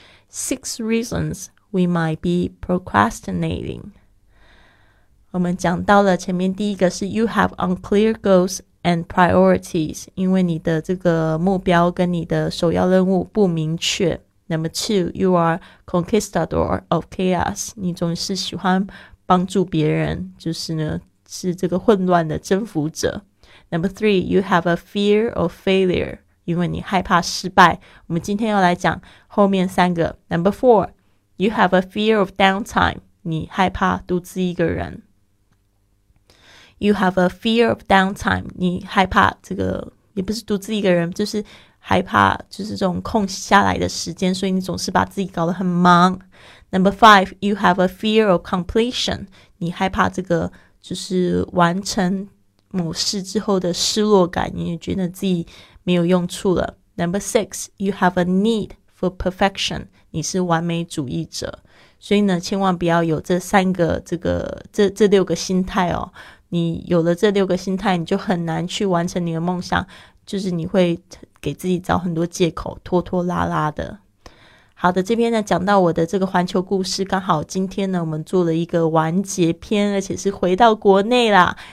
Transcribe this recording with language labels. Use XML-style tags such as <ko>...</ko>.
<en>Six reasons we might be procrastinating，</en> <zh>我们讲到了前面第一个是</zh> <en>You have unclear goalsand priorities，</en> <zh>因为你的这个目标跟你的首要任务不明确。</zh> <en>Number two， You are conquistador of chaos，</en> <zh>你总是喜欢帮助别人，就是呢是这个混乱的征服者。</zh> <en>Number three， You have a fear of failure，</en> <zh>因为你害怕失败。我们今天要来讲后面三个。</zh> <en>Number four， You have a fear of downtime，</en> <zh>你害怕独自一个人。</zh> <en>You have a fear of downtime，</en> <zh>你害怕这个，也不是独自一个人，就是害怕就是这种空下来的时间，所以你总是把自己搞得很忙。</zh> <en>Number five， You have a fear of completion，</en> <zh>你害怕这个就是完成某事之后的失落感，你觉得自己没有用处了。</zh> <en>Number six， You have a need for perfection，</en> <zh>你是完美主义者。所以呢千万不要有这三个这个这六个心态哦，你有了这六个心态，你就很难去完成你的梦想，就是你会给自己找很多借口，拖拖拉拉的。好的，这边呢讲到我的这个环球故事，刚好今天呢我们做了一个完结篇，而且是回到国内啦。</zh>